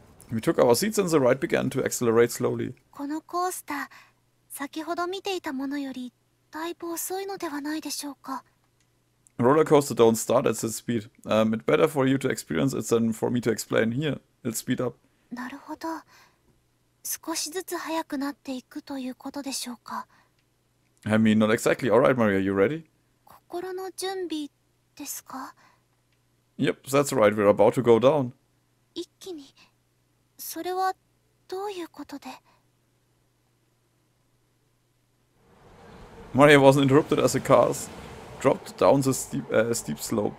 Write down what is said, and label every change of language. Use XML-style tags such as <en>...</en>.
<en>We took our seats and the ride began to accelerate slowly. Roller coaster don't start at this speed. It's better for you to experience it than for me to explain. Here, it'll speed up.</en> <ja>なるほど。少しずつ速くなっていくということでしょうか?</ja> <en>I mean, not exactly. Alright, Maria, you ready?</en> <ja>心の準備ですか?</ja> <en>Yep, that's right. We're about to go down.</en> <ja>一気に... それはどういうことで?</ja> <en>Maria wasn't interrupted as the cars dropped down the steep slope.</en>